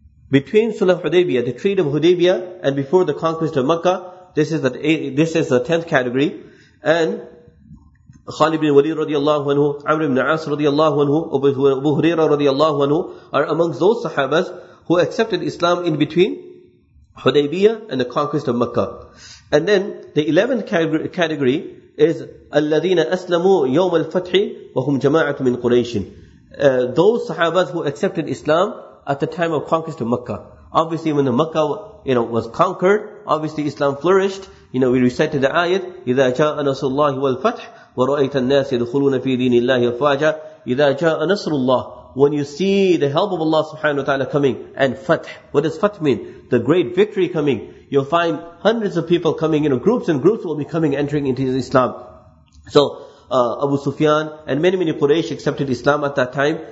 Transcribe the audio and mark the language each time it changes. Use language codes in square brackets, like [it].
[en] Between Sulh Hudaybiyah, the Treaty of Hudaybiyah, and before the conquest of Makkah, this is the 10th category. And Khalid ibn Walid radiallahu anhu, Amr ibn As radiallahu anhu, Abu Huraira radiallahu anhu are amongst those Sahabas who accepted Islam in between Hudaybiyah and the conquest of Makkah. And then the 11th category is [ar] الَّذِينَ أَسْلَمُوا يَوْمَ الْفَتْحِ وَهُمْ جَمَاعَةٌ مِّنْ قُرَيْشٍ. [en] Those Sahabas who accepted Islam at the time of conquest of Makkah. Obviously, when the Makkah, you know, was conquered, obviously Islam flourished. You know, we recited the ayat, [ar] إِذَا جَاءَ نَصْرُ اللَّهِ وَالْفَتْحِ وَرَأَيْتَ النَّاسِ يَدْخُلُونَ فِي دِينِ اللَّهِ أَفْوَاجًا. إِذَا جَاءَ نَصْرُ اللَّهِ. [en] When you see the help of Allah subhanahu wa ta'ala coming, and fath, what does fath mean? The great victory coming. You'll find hundreds of people coming, you know, groups and groups will be coming, entering into Islam. So, Abu Sufyan and many Quraysh accepted Islam at that time.